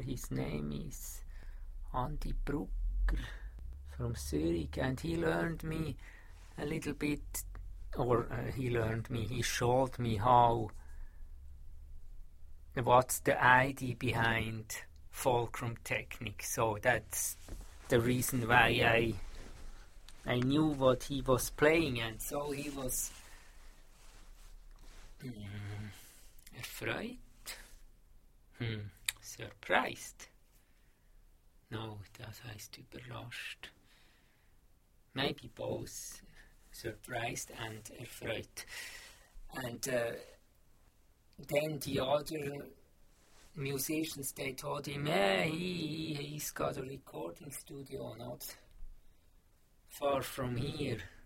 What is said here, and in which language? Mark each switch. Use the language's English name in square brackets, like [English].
[English] His name is Andy Brucker from Zurich, and he learned me a little bit, or he learned me, he showed me how, what's the idea behind fulcrum technique. So that's the reason why I knew what he was playing, and so he was afraid, surprised. [German] No, das heißt überrascht. [English] Maybe both surprised and erfreut. And then the other musicians, they told him, he's got a recording studio not far from here.